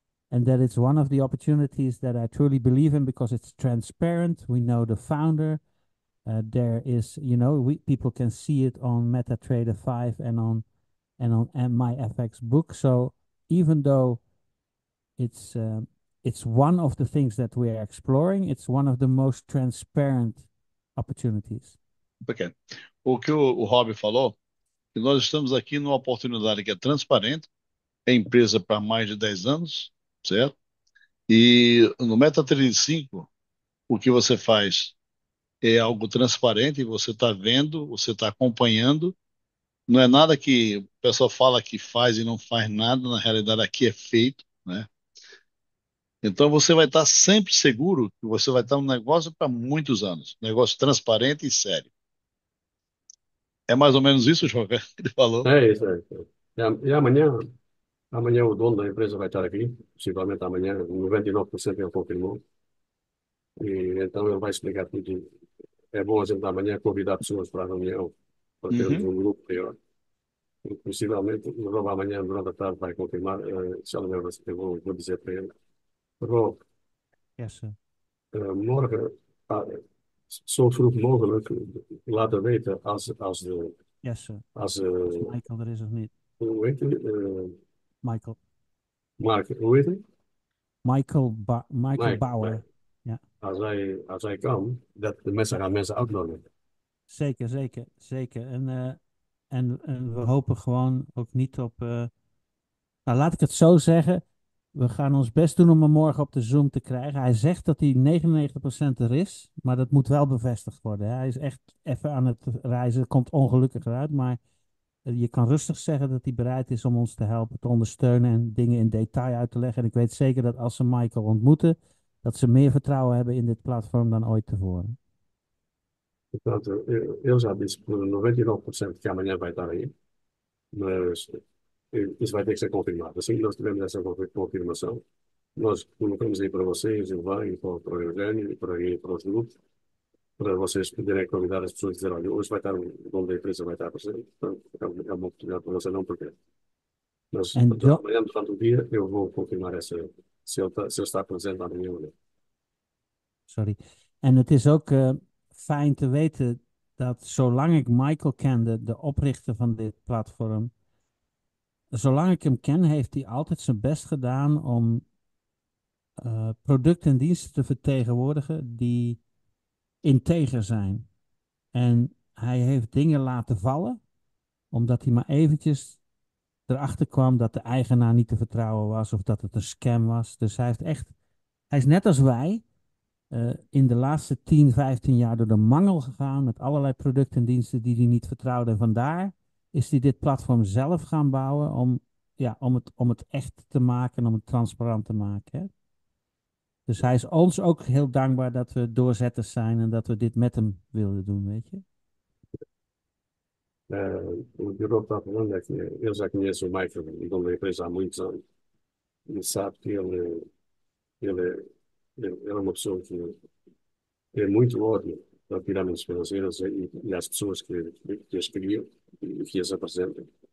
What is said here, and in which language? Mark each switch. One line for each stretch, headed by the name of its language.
English: And that it's one of the opportunities that I truly believe in because it's transparent. We know the founder. There is, people can see it on MetaTrader 5 and on MyFX book. So even though it's one of the things that we are exploring. It's one of the most transparent opportunities.
Portuguese: O que o Rob falou, que nós estamos aqui numa oportunidade que é transparente, é empresa para mais de 10 anos, certo? E no MetaTrader 5, o que você faz é algo transparente, você está vendo, você está acompanhando, não é nada que o pessoal fala que faz e não faz nada, na realidade aqui é feito, né? Então você vai estar sempre seguro que você vai estar um negócio para muitos anos, negócio transparente e sério. É mais ou menos isso, João, que ele falou. É isso aí. E amanhã o dono da empresa vai estar aqui, possivelmente amanhã, 99% ele confirmou. E então ele vai explicar tudo. É bom a gente amanhã convidar pessoas para a reunião, para termos um grupo maior. E, possivelmente, o Rob amanhã, durante a tarde, vai confirmar. Se ele lembra, eu vou dizer para ele: Rob,
English: Yes, sir.
Dutch: morgen, zo vroeg mogelijk, laten weten
English: Yes, sir.
Dutch: als Is Michael er is of niet? hoe heet hij? Michael. Mark, hoe heet hij? Michael Mike, Bauer. Ja. als hij kan, dat de mensen gaan mensen uitnodigen. Zeker, zeker, zeker. En we hopen gewoon ook niet op. Nou, laat ik het zo zeggen. We gaan ons best doen om hem morgen op de Zoom te krijgen. Hij zegt dat hij 99% er is, maar dat moet wel bevestigd worden. Hij is echt even aan het reizen, komt ongelukkig eruit. Maar je kan rustig zeggen dat hij bereid is om ons te helpen, te ondersteunen en dingen in detail uit te leggen. En ik weet zeker dat als ze Michael ontmoeten, dat ze meer vertrouwen hebben in dit platform dan ooit tevoren.
Portuguese: Portanto, eu já disse por 99% que amanhã vai estar aí, mas isso vai ter que ser confirmado. Assim que nós tivermos essa confirmação, nós colocamos aí para vocês, o Ivan, para o Eugênio, para os grupos, para vocês poderem convidar as pessoas e dizer: olha, hoje vai estar onde a empresa vai estar presente. Portanto, é uma oportunidade para você, não porque. Mas,
English: And
Portuguese: portanto, John, amanhã, durante o dia, eu vou confirmar se ele está presente amanhã ou não.
English: sorry.
Dutch: En het is ook fijn te weten dat zolang ik Michael kende, de oprichter van dit platform, zolang ik hem ken, heeft hij altijd zijn best gedaan om producten en diensten te vertegenwoordigen die integer zijn. En hij heeft dingen laten vallen, omdat hij maar eventjes erachter kwam dat de eigenaar niet te vertrouwen was of dat het een scam was. Dus hij is net als wij in de laatste 10, 15 jaar door de mangel gegaan met allerlei producten en diensten die hij niet vertrouwde. En vandaar Is die dit platform zelf gaan bouwen om, ja, om het echt te maken, om het transparant te maken? Hè? Dus hij is ons ook heel dankbaar dat we doorzetters zijn en dat we dit met hem wilden doen, weet je?
Portuguese: O bureau está falando é que ele já conhece o Michael, o dono da empresa, há muitos anos. E sabe que ele é uma pessoa que tem muito ódio para pirâmides financeiras e às pessoas que as criam e que as apresentam.